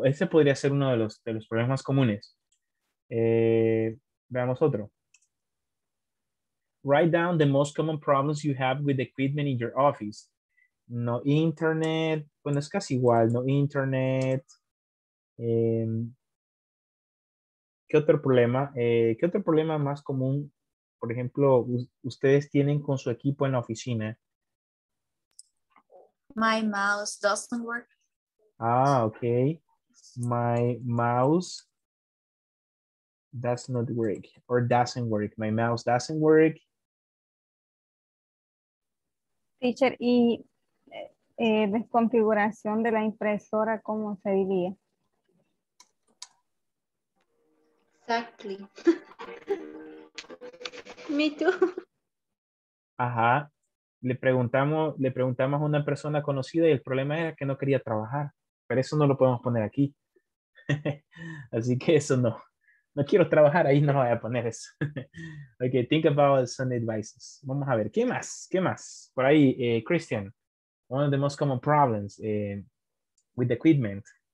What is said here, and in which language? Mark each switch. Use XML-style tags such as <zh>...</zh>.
<es>Ese podría ser uno de los problemas más comunes. Veamos otro.</es> <en>Write down the most common problems you have with equipment in your office. No internet.</en> <es>Bueno, es casi igual. No internet. ¿Qué otro problema más común, por ejemplo, ustedes tienen con su equipo en la oficina?</es> <en>My mouse doesn't work. Ah, okay. My mouse does not work or doesn't work. My mouse doesn't work.</en> <es>Teacher, y desconfiguración de la impresora, ¿cómo se diría?</es> <en>Exactly. Me too. Ajá.</en> <es>Le preguntamos a una persona conocida y el problema era que no quería trabajar. Pero eso no lo podemos poner aquí. Así que eso no. No quiero trabajar, ahí no lo voy a poner eso.</es> <en>Ok, think about some advices.</en> <es>Vamos a ver, ¿qué más? ¿Qué más? Por ahí,</es> <en>Christian, one of the most common problems with equipment.</en>